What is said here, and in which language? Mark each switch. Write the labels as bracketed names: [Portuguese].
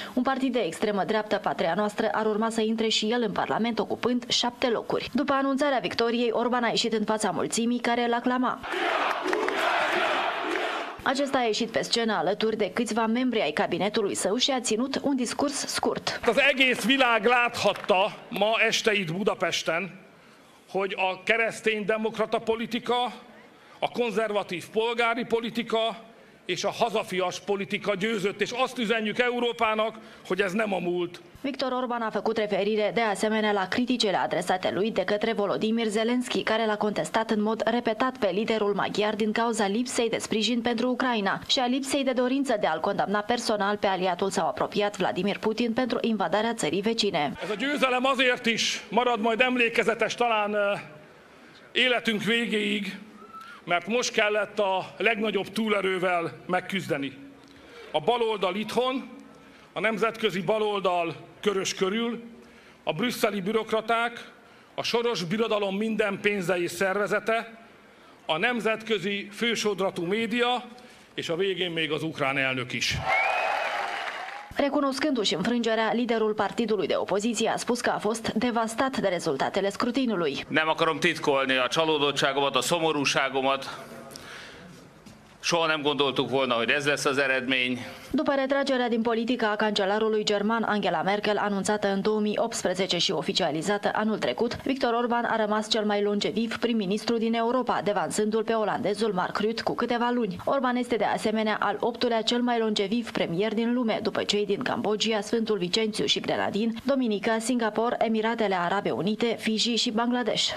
[Romanian] Un partid de extremă dreaptă, Patria Noastră, ar urma să intre și el în Parlament, ocupând 7 locuri. După anunțarea victoriei, Orban a ieșit în fața mulțimii care îl aclama. Acesta a ieșit pe scenă alături de câțiva membri ai cabinetului său și a ținut un discurs scurt. [Hungarian] Az egész világ láthatta ma este itt Budapesten, hogy a kereszténydemokrata politika, a konzervatív polgári politika és a hazafias politika győzött, és azt üzenjük Európának, hogy ez nem a múlt. [Romanian] Victor Orban a făcut referire de asemenea la criticile adresate lui de către Volodymyr Zelensky, care l-a contestat în mod repetat pe liderul maghiar din cauza lipsei de sprijin pentru Ucraina și a lipsei de dorință de a-l condamna personal pe aliatul său apropiat Vladimir Putin pentru invadarea țării vecine. [Hungarian] Ez a győzelem azért is marad majd emlékezetes talán életünk végéig, mert most kellett a legnagyobb túlerővel megküzdeni. A baloldal itthon, a nemzetközi baloldal körös körül, a brüsszeli bürokraták, a Soros Birodalom minden pénze és szervezete, a nemzetközi fősodratú média, és a végén még az ukrán elnök is. [Romanian] Recunoscându-și înfrângerea, liderul partidului de opoziție a spus că a fost devastat de rezultatele scrutinului. [Hungarian] Nem akarom titkolni a csalódottságomat, a szomorúságomat. Soha nem gondoltuk volna, hogy ez lesz az eredmény. [Romanian] După retragerea din politică a cancelarului german Angela Merkel, anunțată în 2018 și oficializată anul trecut, Victor Orban a rămas cel mai longeviv prim-ministru din Europa, devansându-l pe olandezul Mark Rutte cu câteva luni. Orban este de asemenea al 8-lea cel mai longeviv premier din lume, după cei din Cambodgia, Sfântul Vicențiu și Grenadin, Dominica, Singapore, Emiratele Arabe Unite, Fiji și Bangladesh.